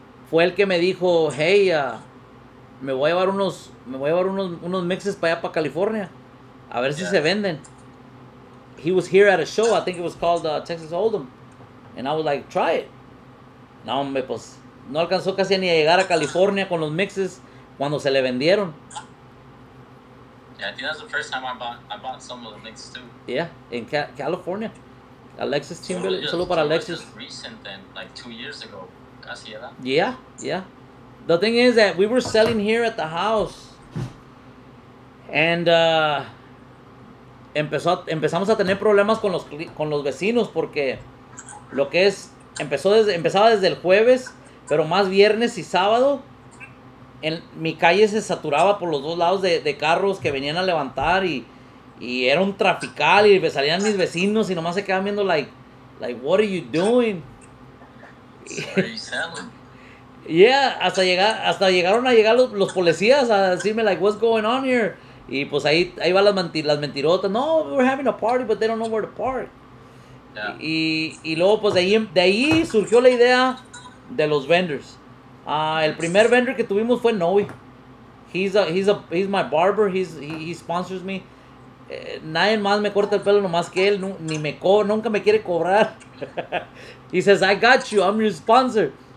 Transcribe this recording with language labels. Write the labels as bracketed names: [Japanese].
[Spanish] Fue el que me dijo, hey, me voy a llevar unos mixes para allá, para California. A ver si se venden. [English] He was here at a show. I think it was called Texas Hold'em. And I was like, try it. [Spanish] No, hombre, pues. No alcanzó casi ni a llegar a California con los mixes cuando se le vendieron. [English] Yeah, I think that's the first time I bought some of the mixes too. Yeah, in California. Alexis Timberlake, [Spanish] solo para Alexis. [English] Just recent then, like 2 years ago, [Spanish] casi era. [English] Yeah. The thing is that we were selling here at the house. [Spanish] And empezamos a tener problemas con los vecinos porque lo que es, empezaba desde el jueves. Pero más viernes y sábado, mi calle se saturaba por los dos lados de carros que venían a levantar y era un trafical y me salían mis vecinos y nomás se quedaban viendo [English] like what are you doing? Sorry, yeah, [Spanish] hasta llegaron a llegar los policías a decirme [English] like what's going on here? [Spanish] Y pues ahí van las mentirotas. [English] No, we're having a party, but they don't know where to park. Yeah. [Spanish] Y luego pues de ahí surgió la idea de los vendors. El primer vendor que tuvimos fue Noe. [English] He's my barber. He sponsors me. [Spanish] Nadie más me corta el pelo nomás que él. Ni me cobra. Nunca me quiere cobrar. [English] He says, I got you. I'm your sponsor.